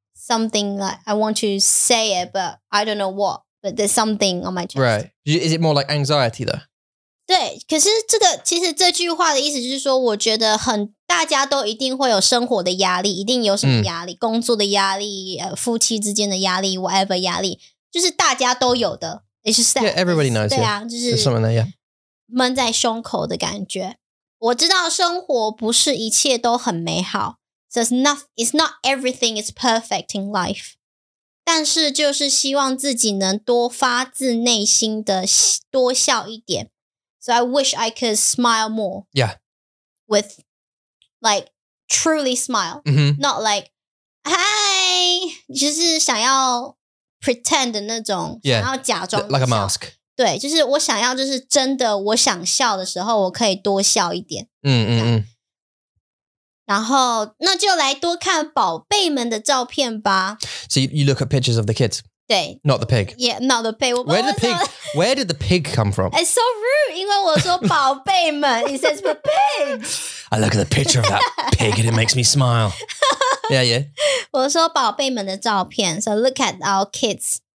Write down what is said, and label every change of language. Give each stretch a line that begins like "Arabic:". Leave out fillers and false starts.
English: Something like, I want to say it, but I don't know what, but there's something on my chest. Right. Is it more like anxiety though?
Chinese: 对,可是这个,其实这句话的意思就是说,我觉得很,大家都一定会有生活的压力,一定有什么压力,工作的压力,夫妻之间的压力,
English: whatever
Chinese: 压力,就是大家都有的。
English: It's just that. Yeah, everybody knows.
Chinese: 对啊,就是
English: something like, yeah.
Chinese: 闷在胸口的感觉。我知道生活不是一切都很美好。
English: So it's not everything is perfect in life.
Chinese: 但是就是希望自己能多发自内心的多笑一点。
English: So I wish I could smile more. Yeah. With, like, truly smile. Mm-hmm. Not like,
Chinese: 嗨，就是想要
English: pretend
Chinese: 的那种，
English: yeah,
Chinese: 想要假装
English: like a mask。
Chinese: 对，就是我想要，就是真的，我想笑的时候，我可以多笑一点。嗯嗯嗯。然后，那就来多看宝贝们的照片吧。
English: So you look at pictures of the kids.
Chinese: 对。
English: Not the pig. Yeah, not the pig. Where did the pig come from? It's so rude,
Chinese: 因为我说宝贝们,
English: it says the pigs. I look at the picture of that pig and it makes me smile. Yeah, yeah.
Chinese: 我说宝贝们的照片,
English: so look at our kids.